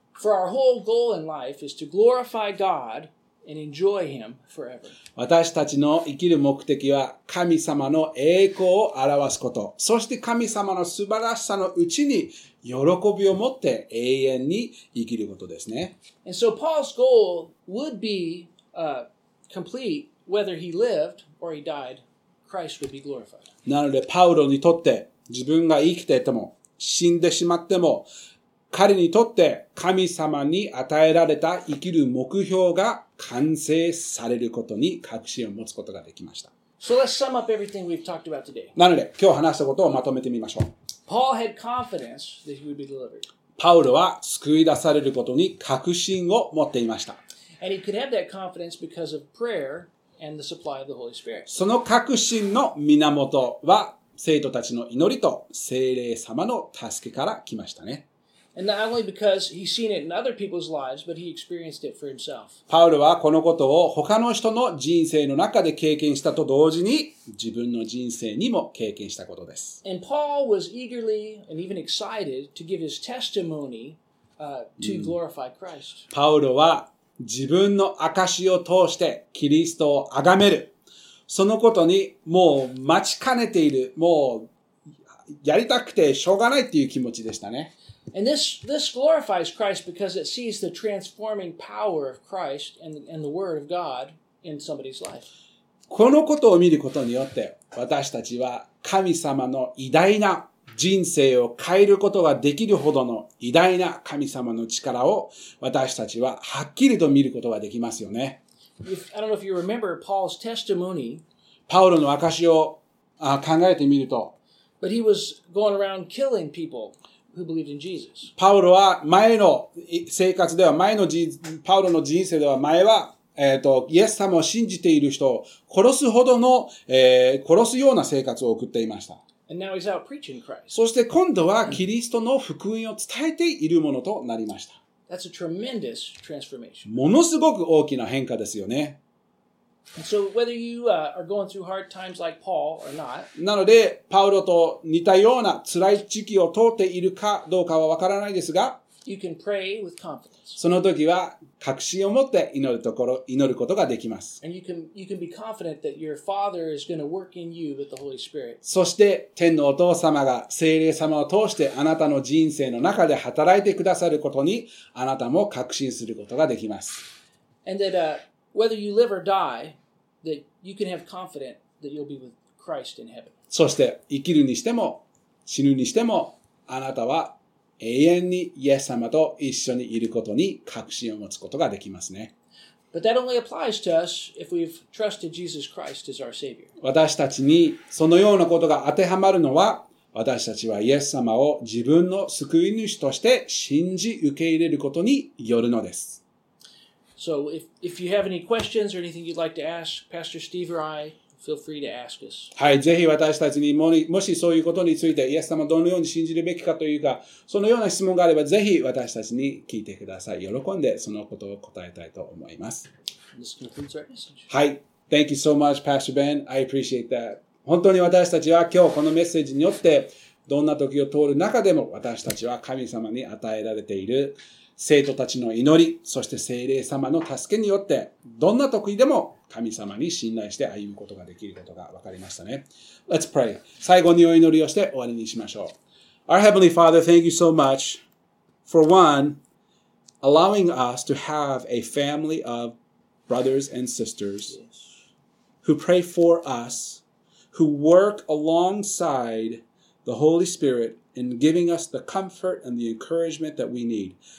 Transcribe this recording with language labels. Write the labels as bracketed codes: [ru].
[en] For our whole goal in life is to glorify God and enjoy Him forever. [ja] 私たちの生きる目的は神様の栄光を表すこと、そして神様の素晴らしさのうちに喜びを持って永遠に生きることですね。 [en] And so Paul's goal would be, complete whether he lived or he died, Christ would be glorified. [ja] なので、パウロにとって自分が生きていても死んでしまっても、彼にとって神様に与えられた生きる目標が完成されることに確信を持つことができました。 [en] So let's sum up everything we've talked about today. [ja] なので、今日話したことをまとめてみましょう。 [en] Paul had confidence that he would be delivered. [ja] パウロは救い出されることに確信を持っていました。 [en] And he could have that confidence because of prayer and the supply of the Holy Spirit. [ja] その確信の源は生徒たちの祈りと聖霊様の助けから来ましたね。 [en] And not only because he's seen it in other people's lives, but he experienced it for himself. [ja] パウロはこのことを他の人の人生の中で経験したと同時に、自分の人生にも経験したことです。 [en] And Paul was eagerly and even excited to give his testimony, to glorify Christ. [ja] パウロは自分の証を通してキリストを崇める。そのことにもう待ちかねている、もうやりたくてしょうがないっていう気持ちでしたね。 [en] And this glorifies Christ because it sees the transforming power of Christ and the Word of God in somebody's life. [ja] このことを見ることによって、私たちは神様の偉大な人生を変えることができるほどの偉大な神様の力を私たちははっきりと見ることができますよね。 [en] If, I don't know if you remember Paul's testimony. [ja] パウロの証を考えてみると。 [en] But he was going around killing people. Who believed in Jesus. [ja] パウロは前の生活では前の人パウロの人生では前はイエス様を信じている人を殺すほどの、殺すような生活を送っていました。 [en] And now he's out preaching Christ. [ja] そして今度はキリストの福音を伝えているものとなりました。 [en] That's a tremendous transformation. [ja] ものすごく大きな変化ですよね。 [en] So whether you are going through hard times like Paul or not, [ja] なのでパウロと似たような辛い時期を通っているかどうかはわからないですが、 [en] you can pray with confidence. [ja] その時は確信を持って祈るところ、祈ることができます。 [en] And you can be confident that your Father is going to work in you with the Holy Spirit. [ja] そして天のお父様が聖霊様を通してあなたの人生の中で働いてくださることにあなたも確信することができます。 [en] And that, whether you live or die, that you can have confidence that you'll be with Christ in heaven. [ja] そして生きるにしても死ぬにしてもあなたは永遠にイエス様と一緒にいることに確信を持つことができますね。 [en] But that only applies to us if we've trusted Jesus Christ as our Savior. [ja] 私たちにそのようなことが当てはまるのは、私たちはイエス様を自分の救い主として信じ受け入れることによるのです。 [en] So if you have any questions or anything you'd like to ask Pastor Steve or I,Feel free to ask us. [ja] はい、ぜひ私たちに もしそういうことについてイエス様どのように信じるべきかというかそのような質問があればぜひ私たちに聞いてください。喜んでそのことを答えたいと思います。 [en] This concludes our message. はい、 Thank you so much Pastor Ben. I appreciate that. [ja] 本当に私たちは今日このメッセージによってどんな時を通る中でも私たちは神様に与えられている生徒たちの祈り、そして聖霊様の助けによってどんな時でも神様に信頼して歩むことができることが分かりましたね。 [en] Let's pray. [ja] 最後にお祈りをして終わりにしましょう。 [en] Our Heavenly Father, thank you so much for one, allowing us to have a family of brothers and sisters who pray for us, who work alongside the Holy Spirit in giving us the comfort and the encouragement that we need.